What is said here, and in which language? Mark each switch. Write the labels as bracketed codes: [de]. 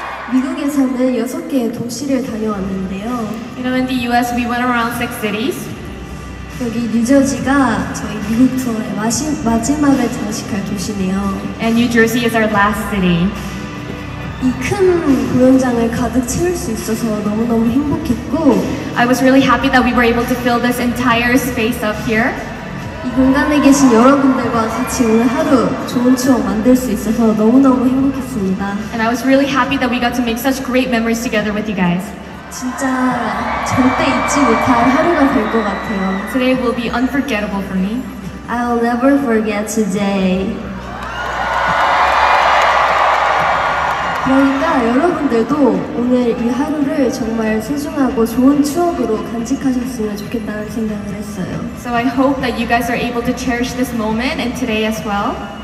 [ko] 미국에서는 여섯 개의 도시를 다녀왔는데요. [en] You know, in the US, we went around six cities. [ko] 여기 뉴저지가 저희 미국 투어의 마지막을 장식할 도시네요. [en] And New Jersey is our last city. [ko] 이 큰 공연장을 가득 채울 수 있어서 너무너무 행복했고 [en] I was really happy that we were able to fill this entire space up here. [ko] 이 공간에 계신 여러분들과 같이 오늘 하루 좋은 추억 만들 수 있어서 너무너무 행복했습니다. [en] And I was really happy that we got to make such great memories together with you guys. [ko] 진짜 절대 잊지 못할 하루가 될 것 같아요. [en] Today will be unforgettable for me. I'll never forget today. [ko] 그러니까 여러분들도 오늘 이 하루를 정말 소중하고 좋은 추억으로 간직하셨으면 좋겠다는 생각을 했어요. [en] So I hope that you guys are able to cherish this moment and today as well.